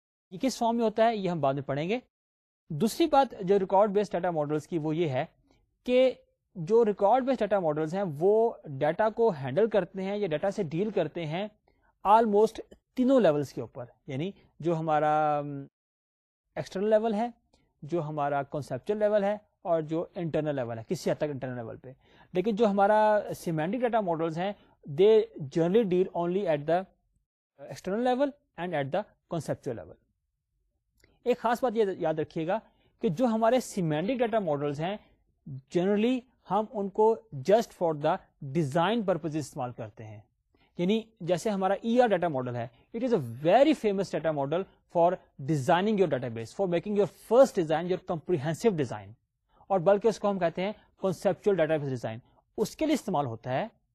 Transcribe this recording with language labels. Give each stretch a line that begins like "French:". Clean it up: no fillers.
Urdu: یہ کس فارم میں ہوتا ہے یہ ہم بعد میں پڑھیں گے. دوسری بات جو ریکارڈ بیسڈ ڈیٹا ماڈلز کی وہ یہ ہے کہ جو ریکارڈ بیسڈ ڈیٹا ماڈلز ہیں وہ ڈیٹا کو ہینڈل کرتے ہیں یا ڈیٹا سے ڈیل کرتے ہیں آلموسٹ تینوں لیولز کے اوپر, یعنی جو ہمارا ایکسٹرنل لیول ہے, جو ہمارا کنسیپچل لیول ہے اور جو انٹرنل لیول ہے, کسی حد تک انٹرنل لیول پہ. لیکن جو ہمارا
English: Semantic data models ہیں they generally deal only at the external level and at the conceptual level.
Urdu: ایک خاص بات یہ یاد رکھیے گا کہ جو ہمارے سیمینٹک ڈیٹا ماڈلز ہیں جنرلی ہم ان کو just for the design purpose استعمال کرتے ہیں. یعنی جیسے ہمارا ای آر ڈیٹا ماڈل ہے,
English: it is a very famous data model for designing your database, for making your first design, your comprehensive design,
Urdu: اور بلکہ اس کو ہم کہتے ہیں کنسیپچل ڈیٹا بیس ڈیزائن, اس کے لیے استعمال ہوتا ہے.